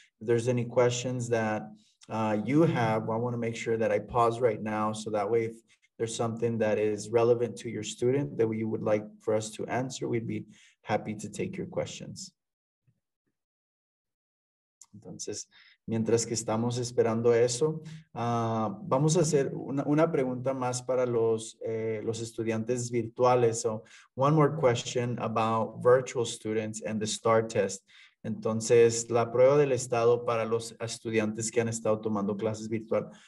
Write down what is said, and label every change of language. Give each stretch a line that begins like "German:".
English: If there's any questions that you have, well, I want to make sure that I pause right now, so that way if there's something that is relevant to your student that you would like for us to answer, we'd be happy to take your questions.
Spanish: Entonces, mientras que estamos esperando eso, vamos a hacer una pregunta más para los estudiantes virtuales.
English: So, one more question about virtual students and the STAR test.
Spanish: Entonces, la prueba del estado para los estudiantes que han estado tomando clases virtual.